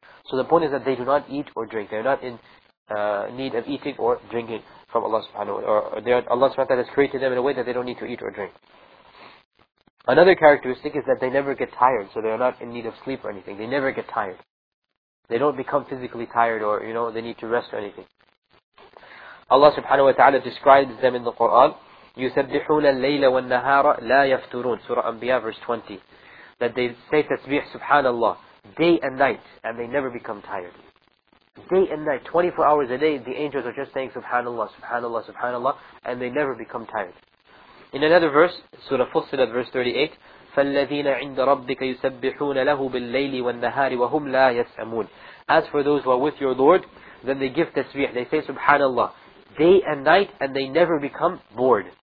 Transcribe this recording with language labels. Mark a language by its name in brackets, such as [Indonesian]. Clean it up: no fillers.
[English] So the point is that they do not eat or drink. They are not in need of eating or drinking from Allah subhanahu wa ta'ala. Allah subhanahu wa ta'ala has created them in a way that they don't need to eat or drink. Another characteristic is that they never get tired. So they are not in need of sleep or anything. They never get tired. They don't become physically tired or, you know, they need to rest or anything. Allah subhanahu wa ta'ala describes them in the Qur'an. [Arabic] يُسَبِّحُونَ اللَّيْلَ وَالنَّهَارَ لَا يَفْتُرُونَ [English] Surah Anbiya verse 20. That they say تَسْبِح Subhanallah day and night, and they never become tired. Day and night, 24 hours a day, the angels are just saying Subhanallah, Subhanallah, Subhanallah, and they never become tired. In another verse, Surah Fussilat verse 38, [Arabic] فَالَّذِينَ عِنْدَ رَبِّكَ يُسَبِّحُونَ لَهُ بِاللَّيْلِ وَالنَّهَارِ وَهُمْ لَا يَسْأَمُونَ [English] As for those who are with your Lord, then they give tasbih, they say Subhanallah, day and night, and they never become bored.